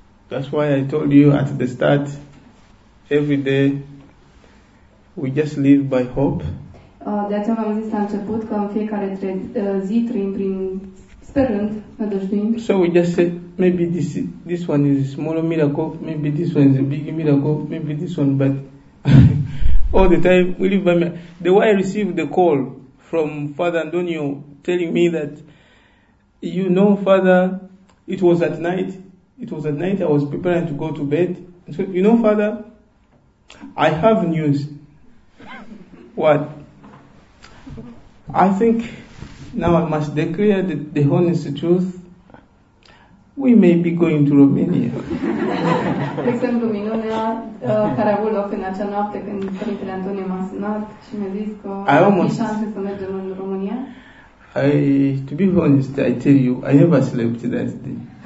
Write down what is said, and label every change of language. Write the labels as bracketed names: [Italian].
[English] That's why I told you at the start, every day, we just live by hope. [Romanian] De aceea v-am zis la început că în fiecare zi trăim prin sperând, nădăjduind. [English] So we just said, maybe this one is a small miracle, maybe this one is a big miracle, maybe this one, but all the time we live by miracle. The way I received the call from Father Antonio telling me that, you know, Father, it was at night, I was preparing to go to bed. So, you know, Father, I have news. What? I think now I must declare the honest truth. We may be going to Romania. [Romanian] De exemplu, minunea care a avut loc în acea noapte când Părintele Antonio m-a sunat și mi-a zis că am șanse să mergem în România. [English] To be honest, I tell you, I never slept that day.